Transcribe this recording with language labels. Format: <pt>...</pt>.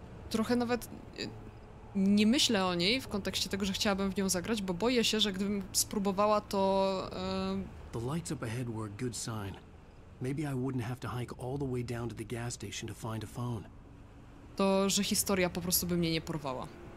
<pl>Trochę nawet nie myślę o niej w kontekście tego, że chciałabym w nią zagrać, bo boję się, że gdybym spróbowała to...</pl> <en>The lights up ahead were a good sign. Maybe I wouldn't have to hike all the way down to the gas station to find a phone.</en> <pl>To, że historia po prostu by mnie nie porwała.</pl>